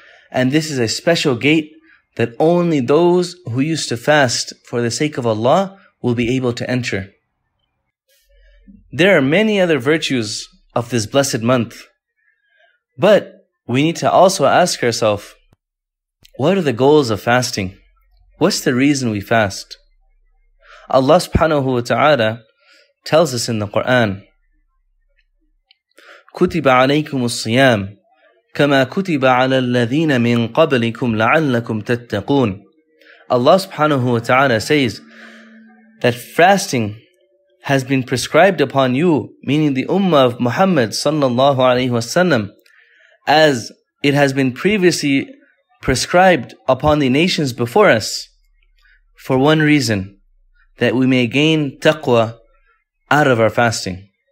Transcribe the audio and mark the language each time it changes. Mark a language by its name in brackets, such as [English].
[English] And this is a special gate that only those who used to fast for the sake of Allah will be able to enter. There are many other virtues of this blessed month, but we need to also ask ourselves, what are the goals of fasting? What's the reason we fast? Allah subhanahu wa ta'ala tells us in the Quran, [Arabic] كُتِبَ عَلَيْكُمُ الصِّيَامِ كَمَا كُتِبَ عَلَى الَّذِينَ مِنْ قَبْلِكُمْ لَعَلَّكُمْ تَتَّقُونَ. [English] Allah subhanahu wa ta'ala says that fasting has been prescribed upon you, meaning the ummah of Muhammad sallallahu alayhi wa sallam, as it has been previously prescribed upon the nations before us, for one reason, that we may gain taqwa out of our fasting.